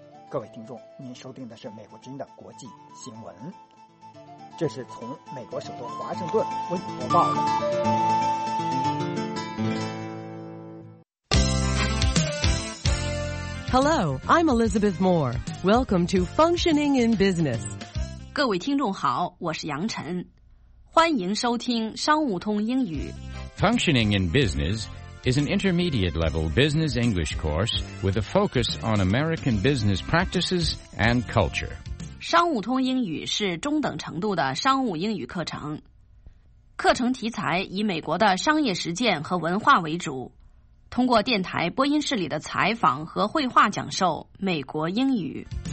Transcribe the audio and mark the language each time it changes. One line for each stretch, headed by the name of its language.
Chinese: 各位听众，您收听的是美国之音的国际新闻，这是从美国首都华盛顿为您播报的。
English: Hello, I'm Elizabeth Moore. Welcome to Functioning in Business.
Chinese: 各位听众好，我是杨晨，欢迎收听商务通英语。
English: Functioning in Business is an intermediate level business English course with a focus on American business practices and culture.
Chinese: 商务通英语是中等程度的商务英语课程，课程题材以美国的商业实践和文化为主，通过电台播音室里的采访和绘画讲授美国英语。